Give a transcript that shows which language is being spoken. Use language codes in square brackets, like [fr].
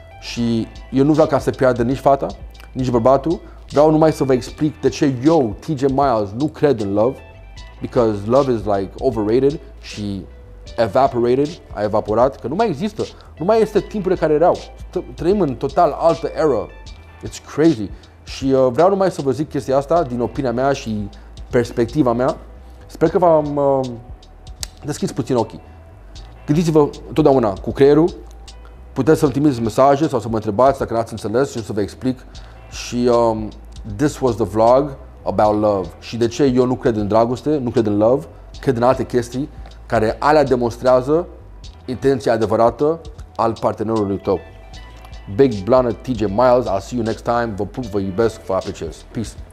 [ro] Și eu nu vreau ca să piardă nici fata, nici bărbatul, vreau numai să vă explic de ce eu, TJ Miles, nu cred în [en] love, because love is like overrated [ro] și evaporated, a evaporat, că nu mai există, nu mai este timpurile care erau, trăim în total altă era, [en] it's crazy. [ro] Și vreau numai să vă zic chestia asta din opinia mea și perspectiva mea, sper că v-am deschis puțin ochii. Gândiți-vă totdeauna cu creierul, puteți să-mi trimiți mesaje sau să mă întrebați dacă n-ați înțeles și să vă explic. Și [en] this was the vlog about love. [ro] Și de ce eu nu cred în dragoste, nu cred în love, cred în alte chestii care alea demonstrează intenția adevărată al partenerului tău. Big Blunt, TJ Miles, [en] I'll see you next time. [ro] Vă pup, vă iubesc, vă apreciez. Peace.